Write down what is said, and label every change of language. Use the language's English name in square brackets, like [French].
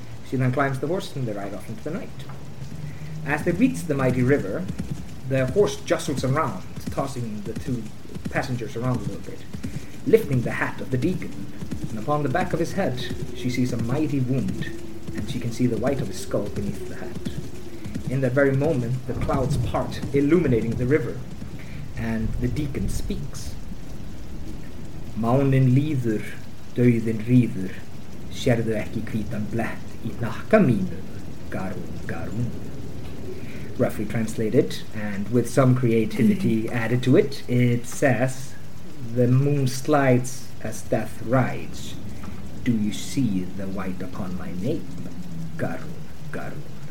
[English] She then climbs the horse and they ride off into the night. As they reach the mighty river, the horse jostles around, tossing the two passengers around a little bit, lifting the hat of the deacon, and upon the back of his head she sees a mighty wound, and she can see the white of his skull beneath the hat. In that very moment, the clouds part, illuminating the river, and the deacon speaks. [Icelandic] Mánin líður, dauðin ríður, sérðu ekki hvítan blett í nakka mínu, garún, garún. [English] Roughly translated, and with some creativity added to it, it says, the moon slides as death rides. Do you see the white upon my name? Garun, Garun.